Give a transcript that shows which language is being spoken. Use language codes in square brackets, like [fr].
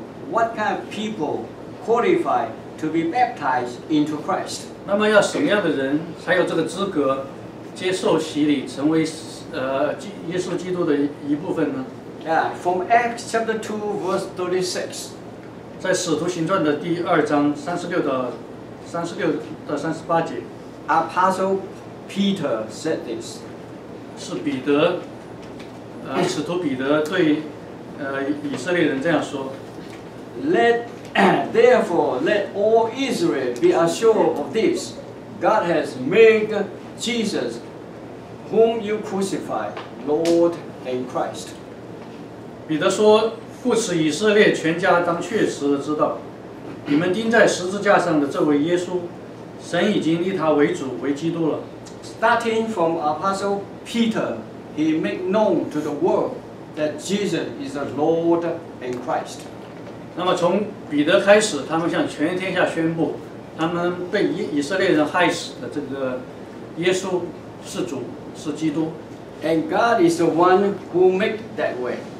[en] What kind of people qualify to be baptized into Christ? [zh] 那么要什么样的人才有这个资格？接受洗礼，成为耶稣基督的一部分呢？ [en] Yeah, from Acts chapter 2 verse 36. [zh] 在使徒行传的第二章36到38节 [en] Apostle Peter said this. [zh] 是彼得使徒彼得对以色列人这样说。 [en] Therefore, let all Israel be assured of this. God has made Jesus, whom you crucified, Lord and Christ. [zh] 彼得说，故此以色列全家当确实知道，你们钉在十字架上的这位耶稣，神已经立他为主为基督了。 [en] Starting from Apostle Peter, he made known to the world that Jesus is the Lord and Christ. [zh] 那么从彼得开始，他们向全天下宣布，他们被以色列人害死的这个耶稣是主，是基督。 [en] And God is the one who made that way.